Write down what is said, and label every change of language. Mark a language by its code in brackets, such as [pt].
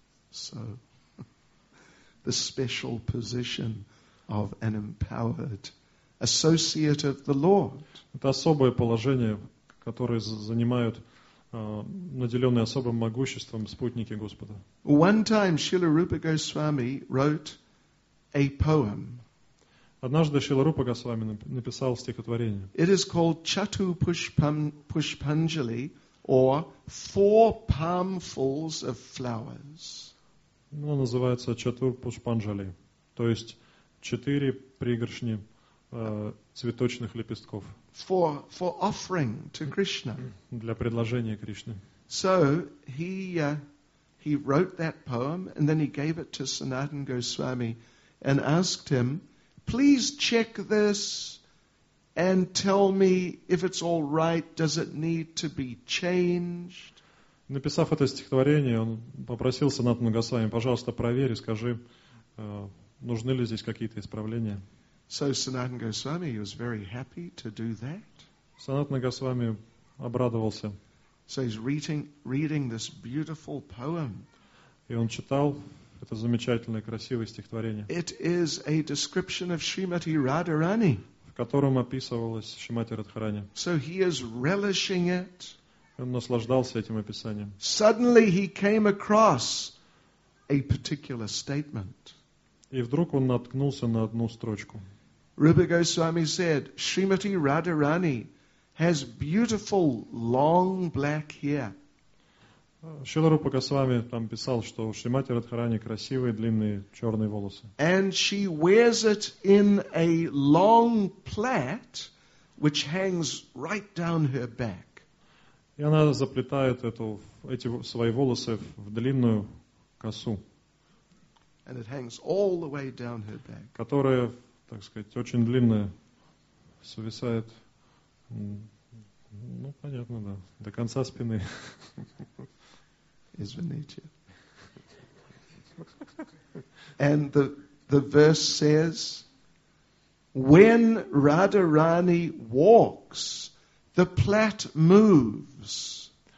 [en] So, the special position of an empowered associate of the Lord. [ru] Это особое положение, которое занимают наделенные особым могуществом спутники Господа. [en] One time Srila Rupa Goswami wrote a poem. [ru] Однажды Шрила Рупа Госвами написал стихотворение. [en] It is called Chatu Pushpanjali, or Four Palmfuls of Flowers. [ru] Оно называется Чатур Пушпанджали, то есть четыре пригоршни цветочных лепестков. [en] For offering to Krishna. [ru] Для предложения Кришне. [en] So he wrote that poem and then he gave it to Sanatan Goswami and asked him, "Please check this and tell me if it's all right. Does it need to be changed?" [ru] Написав это стихотворение, он попросил Санатана Госвами: "Пожалуйста, проверь и скажи, нужны ли здесь какие-то исправления?" [en] So Sanatana Goswami was very happy to do that. [ru] Санатана Госвами обрадовался. [en] So he's reading this beautiful poem. [ru] И он читал это замечательное, красивое стихотворение. [en] It is a description of Srimati Radharani. [ru] В котором описывалась Шримати Радхарани. [en] So he is relishing it. [ru] Он наслаждался этим описанием. [en] Suddenly he came across a particular statement. [ru] И вдруг он наткнулся на одну строчку. [en] Rupa Goswami said, "Srimati Radharani has beautiful long black hair." [ru] Шрила Рупа Госвами там писал, что у Шримати Радхарани красивые длинные черные волосы. [en] And she wears it in a long plait, which hangs right down her back. [ru] И она заплетает эти свои волосы в длинную косу, [en] and it hangs all the way down her back. [ru] Которая, так сказать, очень длинная, свисает, понятно, да, до конца спины. Извините. [en] And the verse says, when Radharani walks, the plat moves.